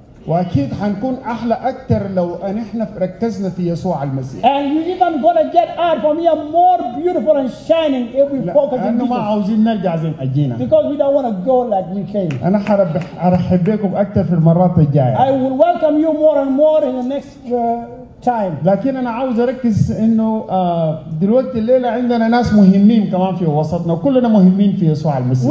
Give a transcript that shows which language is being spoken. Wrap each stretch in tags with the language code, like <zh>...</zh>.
<ar>وأكيد حنكون أحلى أكتر لو أن إحنا ركزنا في يسوع المسيح.</ar> <en>And you even gonna get out from here more beautiful and shining if we focus on Jesus.</en> <ar>لأنه ما عاوزين نرجع زي ما أجينا.</ar> <en>Because we don't wanna go like we came.</en> <ar>أنا حرحب بكم أكتر في المرات الجاية.</ar> <en>I will welcome you more and more in the next time.</en> <ar>لكن أنا عاوز أركز إنه دلوقتي الليلة عندنا ناس مهمين كمان في وسطنا وكلنا مهمين في يسوع المسيح.</ar>